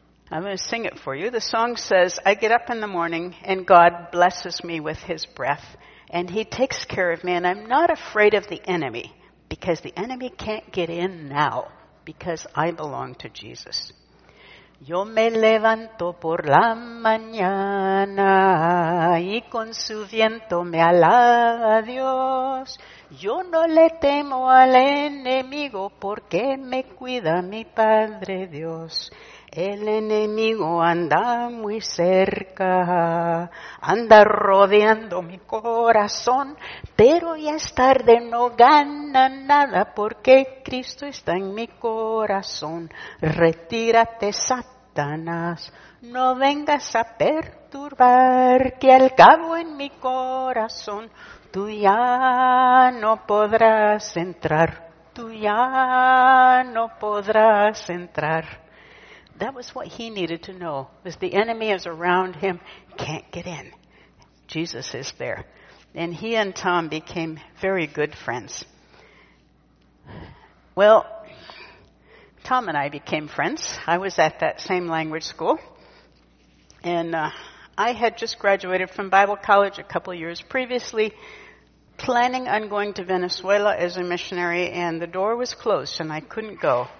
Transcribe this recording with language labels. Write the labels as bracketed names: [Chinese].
[English] I'm going to sing it for you. The song says, I get up in the morning and God blesses me with his breath and he takes care of me and I'm not afraid of the enemy because the enemy can't get in now because I belong to Jesus. [Spanish] Yo me levanto por la mañana y con su viento me alaba Dios. Yo no le temo al enemigo porque me cuida mi Padre Dios. El enemigo anda muy cerca, anda rodeando mi corazón, pero ya es tarde, no gana nada, porque Cristo está en mi corazón. Retírate, Satanás, no vengas a perturbar, que al cabo en mi corazón tú ya no podrás entrar, tú ya no podrás entrar. [English] That was what he needed to know, was the enemy is around him, can't get in. Jesus is there. And he and Tom became very good friends. Well, Tom and I became friends. I was at that same language school. And I had just graduated from Bible college a couple years previously, planning on going to Venezuela as a missionary, and the door was closed, and I couldn't go.